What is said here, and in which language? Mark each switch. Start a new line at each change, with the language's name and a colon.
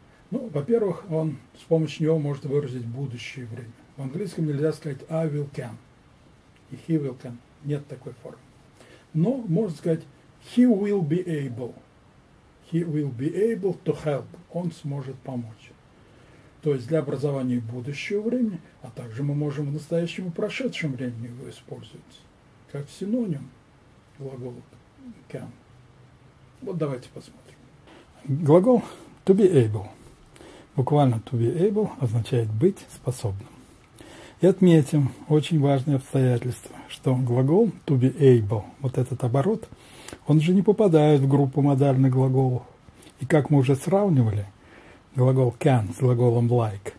Russian: Ну, во-первых, он с помощью него может выразить будущее время. В английском нельзя сказать
English: I will can
Russian: и
English: he will can.
Russian: Нет такой формы. Но можно сказать
English: he will be able. He will be able to help.
Russian: Он сможет помочь. То есть для образования будущего времени, а также мы можем в настоящем и прошедшем времени его использовать как синоним глагола can. Вот давайте посмотрим. Глагол to be able. Буквально to be able означает быть способным. И отметим очень важное обстоятельство, что глагол to be able, вот этот оборот, он же не попадает в группу модальных глаголов. И как мы уже сравнивали, глагол can с глаголом like.